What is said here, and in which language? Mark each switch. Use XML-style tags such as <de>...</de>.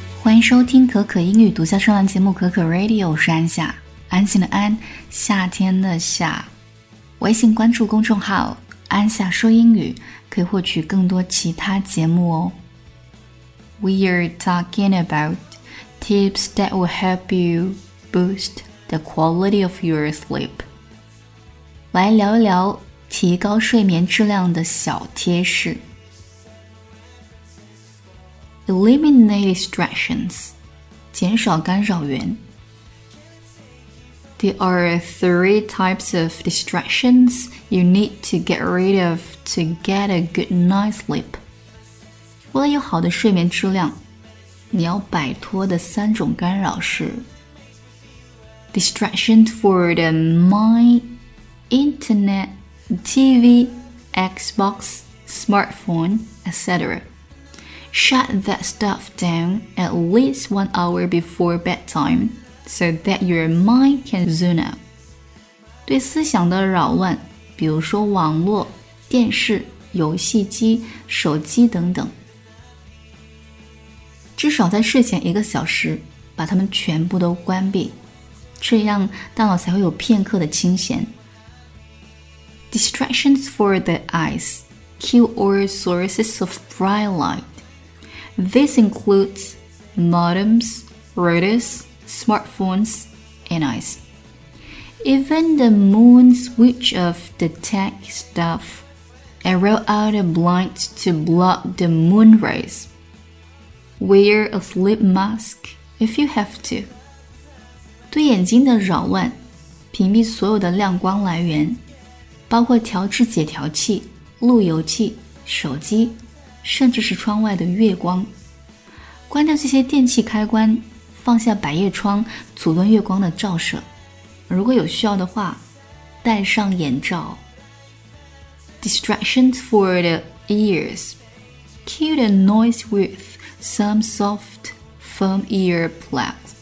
<zh>迎收听可可英语独家专栏节目可可 Radio， 我是安夏，安心的安，夏天的夏。微信关注公众号安夏说英语，可以获取更多其他节目哦。</zh> <en>We are talking about tips that will help you boost the quality of your sleep.</en> <zh>来聊一聊提高睡眠质量的小贴士。</zh> <en>Eliminate distractions.</en> <zh>减少干扰源。</zh> <en>There are three types of distractions you need to get rid of to get a good night's sleep.</en> <zh>为了有好的睡眠质量，你要摆脱的三种干扰是</zh> <en>distractions for the mind, internet, TV, Xbox, smartphone, etc. Shut that stuff down at least 1 hour before bedtime so that your mind can zone out.</en> <zh>对思想的扰乱，比如说网络、电视、游戏机、手机等等，至少在睡前一个小时把它们全部都关闭，这样大脑才会有片刻的清闲。</zh> <en>Distractions for the eyes, kill all sources of bright lightThis includes modems, routers, smartphones, and eyes. Even the moon switch off the tech stuff and roll out a blind to block the moon rays. Wear a sleep mask if you have to.</en> <zh>对眼睛的扰乱，屏蔽所有的亮光来源，包括调制解调器、路由器、手机，甚至是窗外的月光。关掉这些电器开关，放下百叶窗，阻断月光的照射。如果有需要的话，戴上眼罩。</zh> <en>Distractions for the ears. Kill the noise with some soft, firm earplugs.</en>